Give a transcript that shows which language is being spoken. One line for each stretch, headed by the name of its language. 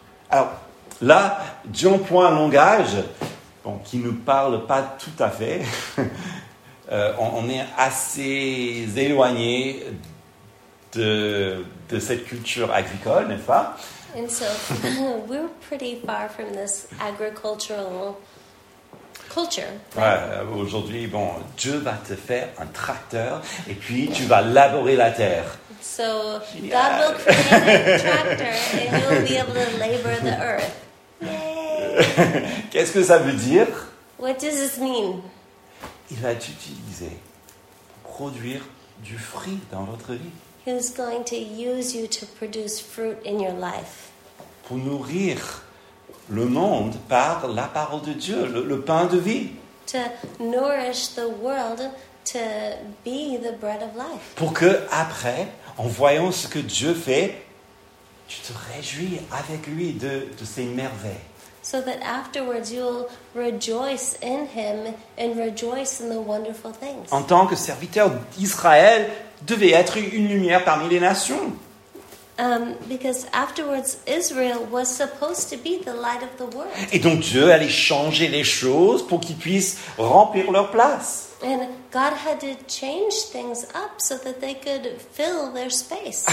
French: Alors, là, Dieu emploie un langage bon, qui ne parle pas tout à fait. On est assez éloigné de cette culture agricole, n'est-ce pas?
English: And so, we're pretty far from this agricultural culture.
French: Ouais, aujourd'hui, bon, Dieu va te faire un tracteur et puis tu vas labourer la terre.
English: So, yeah. God will create a tractor and you'll be able to labor the earth. Yay!
French: Qu'est-ce que ça veut dire?
English: What does this mean?
French: Il va t'utiliser pour produire du fruit dans votre vie.
English: He's going to use you to produce fruit in your life.
French: Pour nourrir le monde par la parole de Dieu, le pain de vie.
English: To nourish the world to be the bread of life.
French: Pour que après, en voyant ce que Dieu fait, tu te réjouis avec lui de ses merveilles.
English: So that afterwards you'll rejoice in him and rejoice in the wonderful things.
French: En tant que serviteur d'Israël, devait être une lumière parmi les nations.
English: Because afterwards Israel was supposed to be the light of the world.
French: Et donc Dieu allait changer les choses pour qu'ils puissent remplir leur place.
English: And God had to change things up so that they could fill their space.